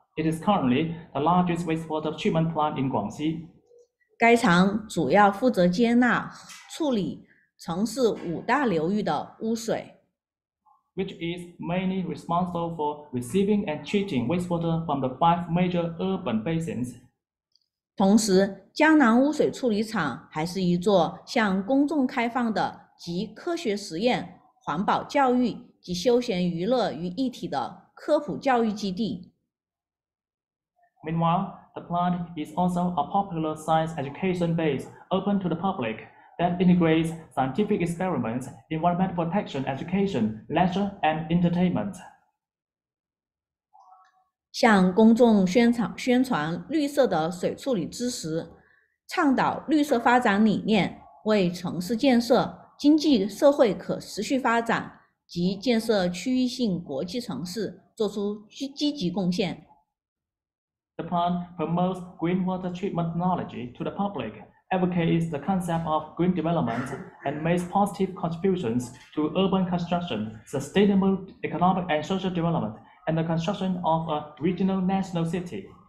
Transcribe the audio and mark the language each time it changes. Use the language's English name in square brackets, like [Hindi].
[English] It is currently the largest wastewater treatment plant in Guangxi. [Chinese] 该厂主要负责接纳处理城市五大流域的污水。 [English] Which is mainly responsible for receiving and treating wastewater from the five major urban basins. [Chinese] 同时，江南污水处理厂还是一座向公众开放的集科学实验、环保教育及休闲娱乐于一体的科普教育基地。 [English] Meanwhile, the plant is also a popular science education base open to the public. That integrates scientific experiments, environmental protection, education, leisure, and entertainment. [Chinese] 向公众宣传绿色的水处理知识，倡导绿色发展理念，为城市建设、经济社会可持续发展及建设区域性国际城市做出积极贡献。 [English] The plan promotes green water treatment technology to the public. Advocates the concept of green development and makes positive contributions to urban construction, sustainable economic and social development, and the construction of a regional national city.